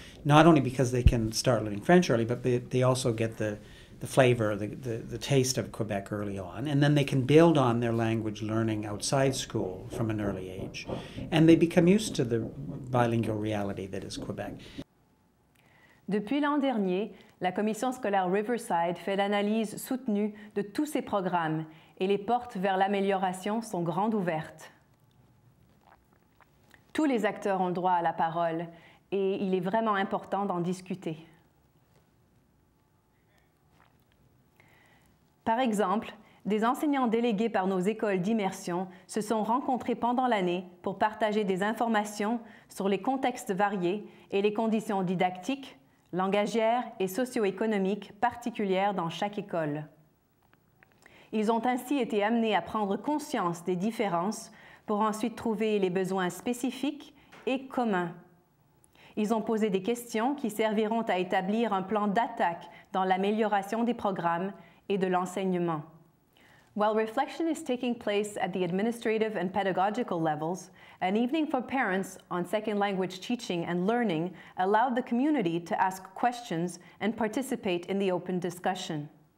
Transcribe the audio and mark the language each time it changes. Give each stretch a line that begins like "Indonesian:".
English: Not only because they can start learning French early, but they also get the flavor, the taste of Quebec early on. And then they can build on their language learning outside school from an early age. And they become used to the bilingual reality that is Quebec.
French: Depuis l'an dernier, la commission scolaire Riverside fait l'analyse soutenue de tous ses programmes et les portes vers l'amélioration sont grandes ouvertes. Tous les acteurs ont le droit à la parole et il est vraiment important d'en discuter. Par exemple, des enseignants délégués par nos écoles d'immersion se sont rencontrés pendant l'année pour partager des informations sur les contextes variés et les conditions didactiques, langagières et socio-économiques particulières dans chaque école. Ils ont ainsi été amenés à prendre conscience des différences pour ensuite trouver les besoins spécifiques et communs. Ils ont posé des questions qui serviront à établir un plan d'attaque dans l'amélioration des programmes et de l'enseignement.
English: While reflection is taking place at the administrative and pedagogical levels, an evening for parents on second language teaching and learning allowed the community to ask questions and participate in the open discussion.